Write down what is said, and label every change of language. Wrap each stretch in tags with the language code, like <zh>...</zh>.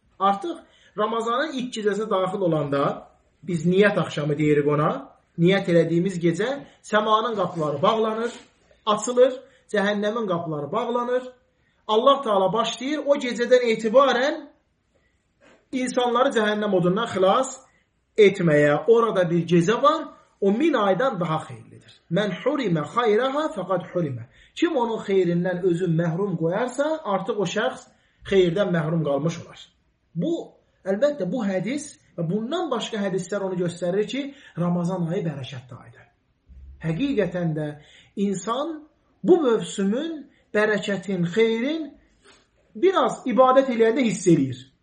<az>Artıq Ramazanın ilk gecəsi daxil olanda biz niyyət axşamı deyirik ona. Niyyət elədiyimiz gecə səmanın qapıları bağlanır, açılır, cəhənnəmin qapıları bağlanır. Allah Taala başlayır o gecədən etibarən insanları cəhənnəm odundan xilas etməyə. Orada bir gecə var, o min aydan daha xeyirlidir.</az> <ar>Mən hurimə xayraha fəqad hurimə.</ar> <az>Kim onun xeyrindən özü məhrum qoyarsa, artıq o şəxs xeyirdən məhrum qalmış olar. Bu, əlbəttə bu hədis və bundan başqa hədislər onu göstərir ki, Ramazan ayı bərəkətli aydır. Həqiqətən də insan bu mövsümün bərəkətin, xeyrin biraz ibadət eləyəndə hiss eləyir.</az>